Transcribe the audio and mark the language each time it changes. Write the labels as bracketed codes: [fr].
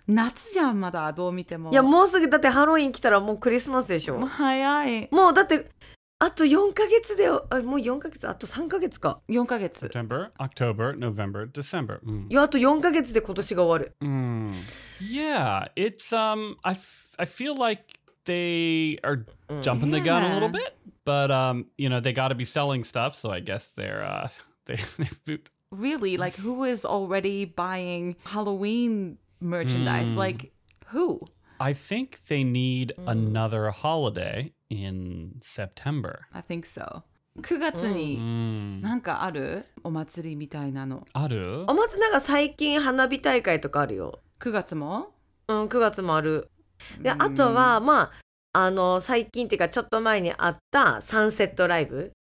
[ja] 夏じゃん、まだ、どう見ても。いや、もうすぐ、だってハロウィン来たらもうクリスマスでしょ。もう早い。もうだって、あと4ヶ月で、もう4ヶ月、あと3ヶ月か。 4ヶ月。 [en] September, October, November, December. [ja] いや、あと4ヶ月で今年が終わる。 [en] Yeah, it's, I feel like they are jumping the gun a little bit, but you know, they got to be selling stuff, so I guess they're they food. Really, like, who is already buying Halloween merchandise? Like, who? I think they need another holiday in September. I think so. [ja] 9月になんかあるお祭りみたいなの。ある？お祭りなんか最近花火大会とかあるよ。 9月も？うん、9月もある。で、あとはまあ、あの、最近っていうかちょっと前にあったサンセットライブ。